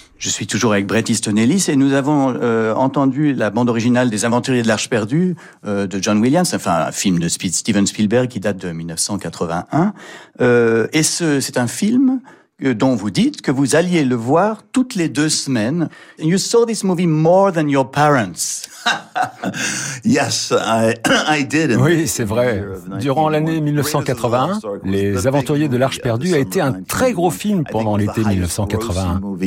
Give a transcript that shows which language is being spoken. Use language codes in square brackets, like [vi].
[fr] suis toujours avec Bret Easton Ellis et nous avons entendu la bande originale des Aventuriers de l'Arche perdue de John Williams, enfin un film de Steven Spielberg qui date de 1981. C'est un film dont vous dites que vous alliez le voir toutes les deux semaines. [en] You saw this movie more than your parents. Yes, I did. [fr] Oui, c'est vrai. Durant l'année 1981, Les Aventuriers de l'Arche perdue a été un très gros film pendant l'été 1981.